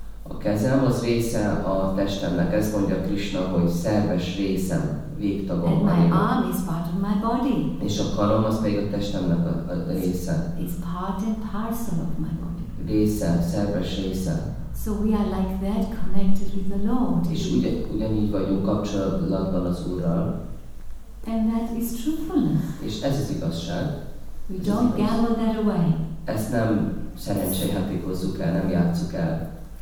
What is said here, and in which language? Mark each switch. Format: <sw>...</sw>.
<hu>A kezem az része a testemnek, ezt mondja Krishna, hogy szerves részem, végtagom.</hu> <en>And my arm is part of my body.</en> <hu>És a karom az pedig a testemnek a része.</hu> <en>It's part and parcel of my body.</en> <hu>Része, szerves része.</hu> <en>So we are like that, connected with the Lord.</en> <hu>És ugyanígy vagyunk kapcsolatban az Úrral.</hu> <en>And that is truthfulness.</en> <hu>És ez az igazság.</hu> <en>We don't gamble that away.</en> <hu>Ezt nem szerencsejátékozzuk el, nem játsszuk el.</hu>